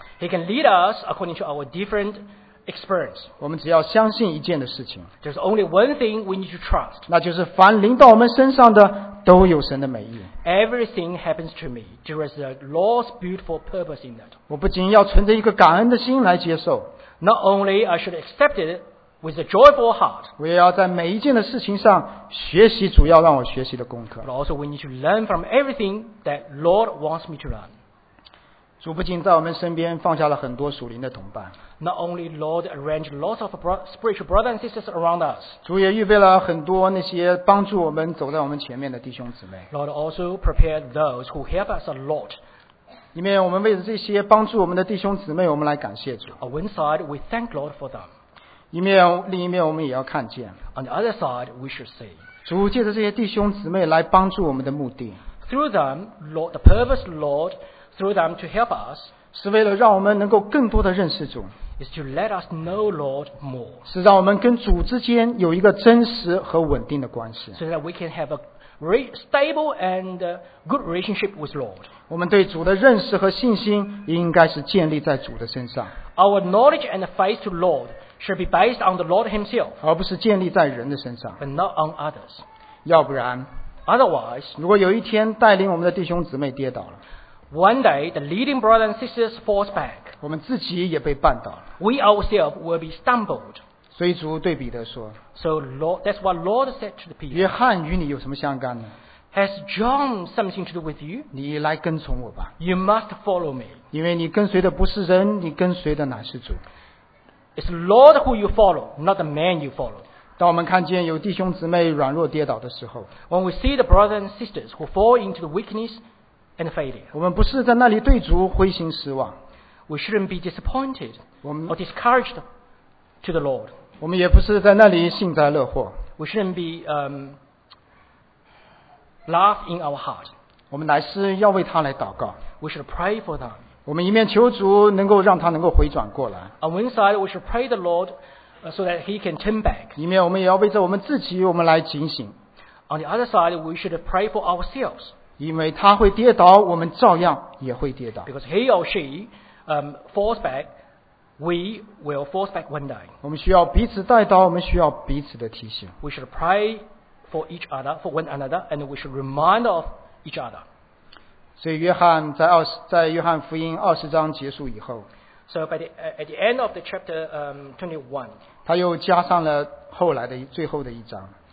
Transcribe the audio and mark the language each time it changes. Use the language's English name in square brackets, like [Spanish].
[English] He can lead us according to our different experience. [Chinese] 我们只要相信一件的事情。 [English] There's only one thing we need to trust. [Chinese] 那就是凡临到我们身上的都有神的美意。 [English] Everything happens to me. There is the Lord's beautiful purpose in that. [Chinese] 我不仅要存着一个感恩的心来接受。 [English] Not only I should accept it with a joyful heart. [Chinese] 我也要在每一件的事情上学习主要让我学习的功课。 [English] But also we need to learn from everything that Lord wants me to learn. [Chinese] 主不仅在我们身边放下了很多属灵的同伴。 [English] Not only Lord arranged lots of spiritual brothers and sisters around us. [Chinese] 主也预备了很多那些帮助我们走在我们前面的弟兄姊妹。 [English] Lord also prepared those who help us a lot. [Chinese] 里面我们为了这些帮助我们的弟兄姊妹，我们来感谢主。 [English] On one side, we thank Lord for them. [Chinese] 另一面我们也要看见。 [English] On the other side, we should see. [Chinese] 主借着这些弟兄姊妹来帮助我们的目的。 [English] Through them, Lord, the purpose, Lord, through them to help us, [Chinese] 是为了让我们能够更多的认识主。 [English] Is to let us know Lord more. [Chinese] 是让我们跟主之间有一个真实和稳定的关系。 [English] So that we can have a stable and good relationship with Lord. [Chinese] 我们对主的认识和信心应该是建立在主的身上。 [English] Our knowledge and faith to Lord should be based on the Lord Himself. [Chinese] 而不是建立在人的身上。 [English] But not on others. [Chinese] 要不然 [English] ，Otherwise， [Chinese] 如果有一天带领我们的弟兄姊妹跌倒了 [English] ，One day the leading brothers and sisters falls back. [Chinese] 我们自己也被绊倒了 [English] ，We ourselves will be stumbled. [Chinese] 所以主对彼得说 [English] ：“So Lord, that's what Lord said to the people. [Chinese] 约翰与你有什么相干呢 [English] ？Has John something to do with you? [Chinese] 你来跟从我吧。 [English] You must follow me. [Chinese] 因为你跟随的不是人，你跟随的乃是主。 [English] It's Lord who you follow, not the man you follow. [Chinese] 当我们看见有弟兄姊妹软弱跌倒的时候 [English] ，When we see the brothers and sisters who fall into the weakness and failure, [Chinese] 我们不是在那里对主灰心失望 [English] ，We shouldn't be disappointed or discouraged to the Lord.” [Chinese] 我们也不是在那里幸灾乐祸。 [English] We shouldn't be laugh in our heart. [Chinese] 我们乃是要为他来祷告。 [English] We should pray for them. [Chinese] 我们一面求主能够让他能够回转过来。 [English] On one side, we should pray the Lord so that he can turn back. [Chinese] 一面我们也要为着我们自己，我们来警醒。 [English] On the other side, we should pray for ourselves. [Chinese] 因为他会跌倒，我们照样也会跌倒。 [English] Because he or she falls back. We will fall back one day. [Chinese] 我们需要彼此带导，我们需要彼此的提醒。 [English] We should pray for each other, for one another, and we should remind of each other. [Chinese] 所以约翰在约翰福音二十章结束以后 [English] ，So at the end of the chapter 21, [Chinese] 他又加上了后来的最后的一章。